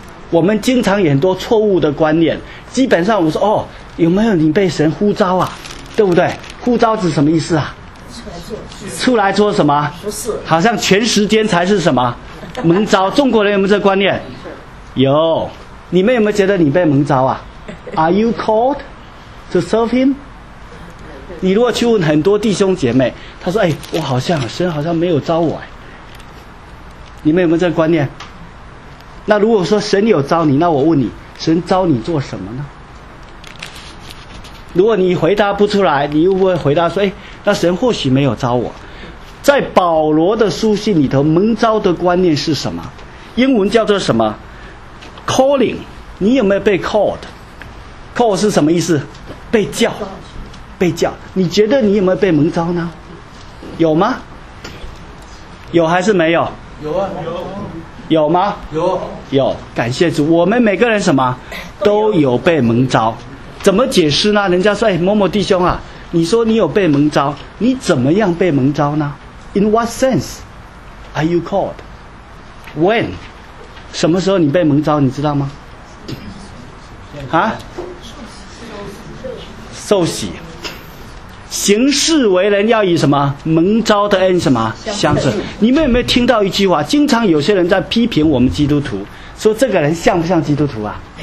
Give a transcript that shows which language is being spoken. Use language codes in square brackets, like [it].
[zh] 我们经常有很多错误的观念，基本上我们说，哦，有没有你被神呼召啊，对不对？呼召指什么意思啊？出来做什么？不是，好像全时间才是什么蒙召。中国人有没有这观念？有。你们有没有觉得你被蒙召啊？ [en] Are you called to serve him? [zh] 你如果去问很多弟兄姐妹，他说，哎，我好像神好像没有召我，哎，你们有没有这观念？那如果说神有召你，那我问你，神召你做什么呢？如果你回答不出来，你又会回答说，哎，那神或许没有召我。在保罗的书信里头，蒙召的观念是什么？英文叫做什么？calling。你有没有被 called？ call 是什么意思？被叫，被叫。你觉得你有没有被蒙召呢？有吗？有还是没有？有啊，有。有吗？有。有，感谢主。我们每个人什么都有被蒙召。怎么解释呢？人家说，哎，某某弟兄啊，你说你有被蒙召，你怎么样被蒙召呢？ [en] In what sense are you called? When? [zh] 什么时候你被蒙召，你知道吗？啊？受洗。行事为人要以什么蒙召的恩什么相称。你们有没有听到一句话？经常有些人在批评我们基督徒，说这个人像不像基督徒啊？